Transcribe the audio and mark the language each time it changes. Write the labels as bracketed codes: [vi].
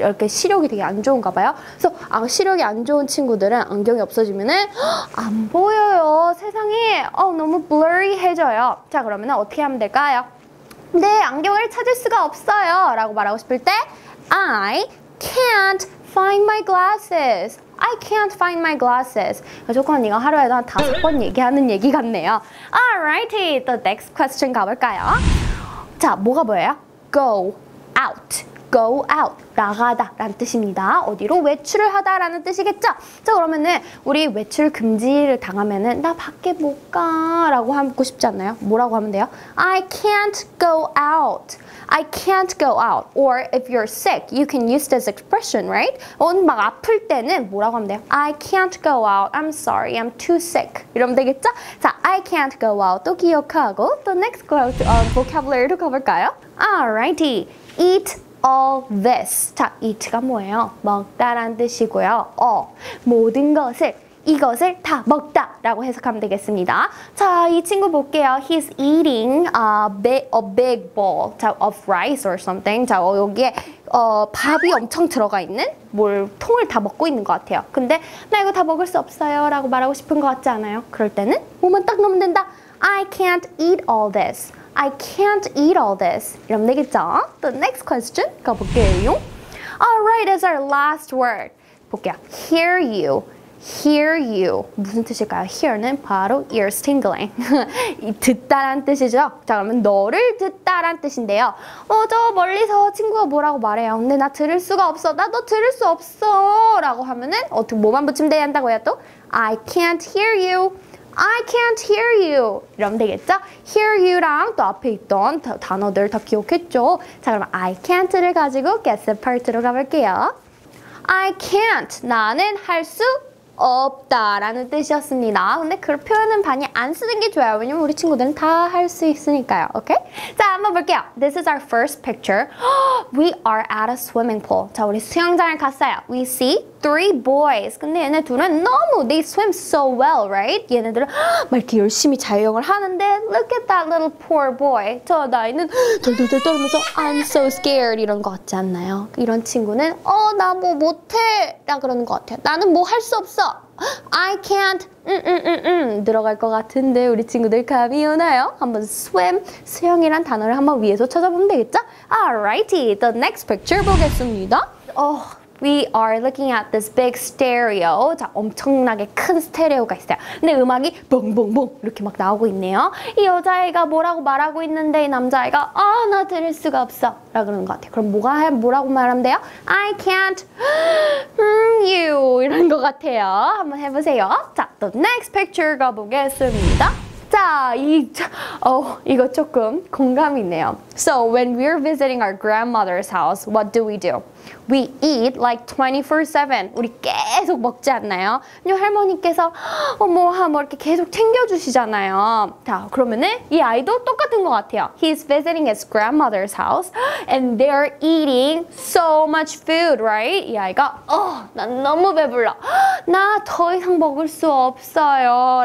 [ko] 이렇게 시력이 되게 안 좋은가 봐요. 그래서 시력이 안 좋은 친구들은 안경이 없어지면은 안 보여요. 세상에. 너무 blurry해져요. 자, 그러면 어떻게 하면 될까요? 내 안경을 찾을 수가 없어요. 라고 말하고 싶을 때 [en] I can't find my glasses. I can't find my glasses. [ko] 조건 언니가 하루에도 한 다섯 번 얘기하는 얘기 같네요. [en] Alrighty, the next question [ko] 가볼까요? 자, 뭐가 뭐예요? [en] Go out. Go out. [ko] 나가다 라는 뜻입니다. 어디로 외출을 하다 라는 뜻이겠죠? 자, 그러면은 우리 외출 금지를 당하면은 나 밖에 못 가 라고 하고 싶지 않나요? 뭐라고 하면 돼요? [en] I can't go out. I can't go out. Or if you're sick, you can use this expression, right? [ko] 막 아플 때는 뭐라고 하면 돼요? [en] I can't go out. I'm sorry. I'm too sick. [ko] 이러면 되겠죠? [en] 자, I can't go out. [ko] 또 기억하고 또 [en] next vocabulary [ko] 로 가볼까요? [en] Alrighty. Eat all this. [ko] 자, eat가 뭐예요? 먹다라는 뜻이고요. All. 모든 것을. 이것을 다 먹다 라고 해석하면 되겠습니다. 자, 이 친구 볼게요. [en] He's eating a big bowl of rice or something. [ko] 자, 여기에 밥이 엄청 들어가 있는 뭘 통을 다 먹고 있는 것 같아요. 근데 나 이거 다 먹을 수 없어요 라고 말하고 싶은 것 같지 않아요? 그럴 때는 뭐만 딱 넣으면 된다. [en] I can't eat all this. I can't eat all this. [ko] 이러면 되겠죠? [en] The next question [ko] 가볼게요. [en] Alright, it's our last word. [ko] 볼게요. [en] Hear you. Hear you. [ko] 무슨 뜻일까요? [en] Hear는 바로 ears tingling. [ko] 듣다란 뜻이죠? 자, 그러면 너를 듣다란 뜻인데요. 저 멀리서 친구가 뭐라고 말해요. 근데 나 들을 수가 없어. 나 너 들을 수 없어. 라고 하면은 어떻게 뭐만 붙이면 된다고요, 또? [en] I can't hear you. I can't hear you. [ko] 이러면 되겠죠? [en] Hear you [ko] 랑 또 앞에 있던 단어들 다 기억했죠? 자, 그러면 I can't를 가지고 [en] guess part [ko] 로 가볼게요. [en] I can't. [ko] 나는 할 수 없다 라는 뜻이었습니다. 근데 그 표현은 많이 안 쓰는 게 좋아요. 왜냐면 우리 친구들은 다 할 수 있으니까요. 오케이? 자, 한번 볼게요. [en] This is our first picture. We are at a swimming pool. [ko] 자, 우리 수영장을 갔어요. [en] We see three boys. [ko] 근데 얘네 둘은 너무 [en] they swim so well, right? [ko] 얘네들은 막 이렇게 열심히 자유형을 하는데 [en] look at that little poor boy. [ko] 저 나이는 덜덜덜 떨면서 [en] I'm so scared [ko] 이런 거 같지 않나요? 이런 친구는 나 뭐 못해 라 그러는 거 같아요. 나는 뭐 할 수 없어. [en] I can't [ko] 들어갈 것 같은데 우리 친구들 감이 오나요? 한번 swim, 수영이란 단어를 한번 위에서 찾아보면 되겠죠? [en] Alrighty, the next picture [ko] 보겠습니다. [en] We are looking at this big stereo. [ko] 자, 엄청나게 큰 스테레오가 있어요. 근데 음악이 뿡뿡뿡 이렇게 막 나오고 있네요. 이 여자애가 뭐라고 말하고 있는데 이 남자애가 나 들을 수가 없어 라고 그러는 것 같아요. 그럼 뭐라고 말하면 돼요? [en] I can't hear you [ko] 이런 것 같아요. 한번 해보세요. 자, [en] the next picture [ko] 가보겠습니다. 자, 이거 조금 공감이 있네요. [en] So when we're visiting our grandmother's house, what do? We eat like 24/7. [ko] 우리 계속 먹지 않나요? 근데 할머니께서 뭐 이렇게 계속 챙겨주시잖아요. 자, 그러면은 이 아이도 똑같은 것 같아요. [en] He's visiting his grandmother's house and they're eating so much food, right? [ko] 이 아이가 난 너무 배불러. 나 더 이상 먹을 수 없어요.